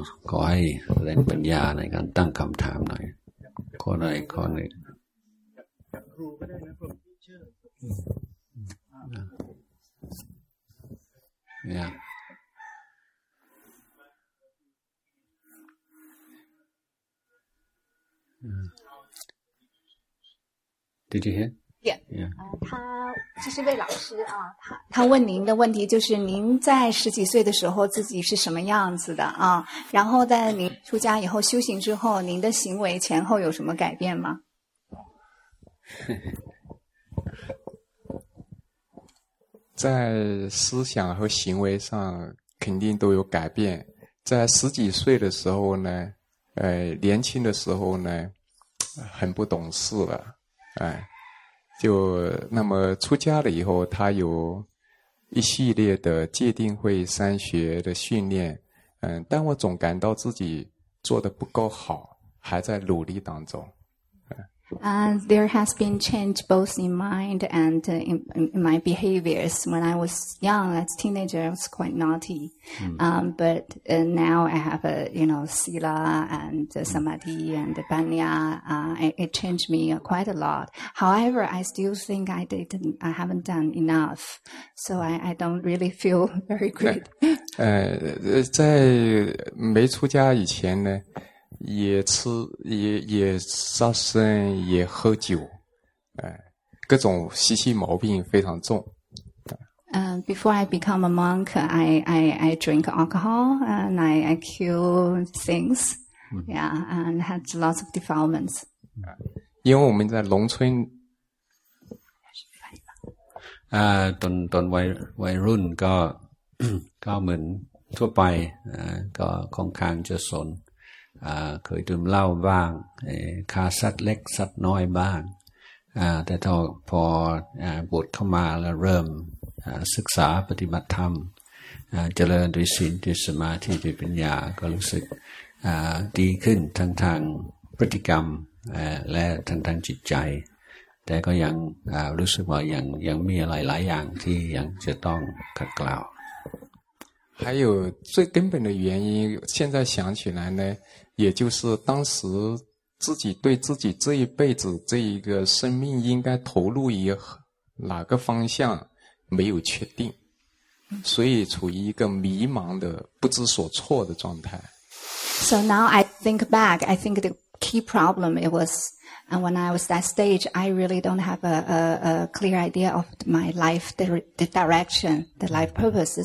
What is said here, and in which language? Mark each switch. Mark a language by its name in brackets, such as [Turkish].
[Thai] ขอให้แรงปัญญาในการตั้งคำถามหน่อยข้อใดข้อหนึ่ง [English] Did you hear? [Chinese] 他这是位老师啊，他问您的问题就是您在十几岁的时候自己是什么样子的啊？然后在您出家以后修行之后，您的行为前后有什么改变吗？在思想和行为上肯定都有改变。在十几岁的时候呢，年轻的时候呢，很不懂事了，哎。就那么出家了以后，他有一系列的戒定慧三学的训练，但我总感到自己做得不够好，还在努力当中。 [English] There has been change both in mind and in my behaviors. When I was young, as a teenager, I was quite naughty. But now I have sila and samadhi and panya. It changed me quite a lot. However, I still think I haven't done enough. So I don't really feel very good. [Chinese] 在没出家以前呢，也吃也杀生也喝酒，各种习气毛病非常重。 [English] Before I become a monk, I drink alcohol and I kill things, and had lots of defilements. [Chinese] 因为我们在农村， [Thai] ตอนวัยรุ่นก็เหมือนทั่วไปก็ค่อนข้างจะสนเคยดื่มเหล้าบ้างฆ่าสัตว์เล็กสัตว์น้อยบ้างแต่พอบวชเข้ามาแล้วเริ่มศึกษาปฏิบัติธรรมเจริญด้วยศีลด้วยสมาธิด้วยปัญญาก็รู้สึก ดีขึ้นทางพฤติกรรมและทางจิตใจแต่ก็ยังรู้สึกว่ายังมีอะไรหลายอย่างที่ยังจะต้องขัดเกลา [Chinese] 还有最根本的原因，现在想起来呢，也就是当时自己对自己这一辈子这一个生命应该投入于哪个方向没有确定，所以处于一个迷茫的不知所措的状态。 [English] So now I think back, I think the key problem it was, and when I was that stage, I really don't have a clear idea of my life, the direction, the life purpose.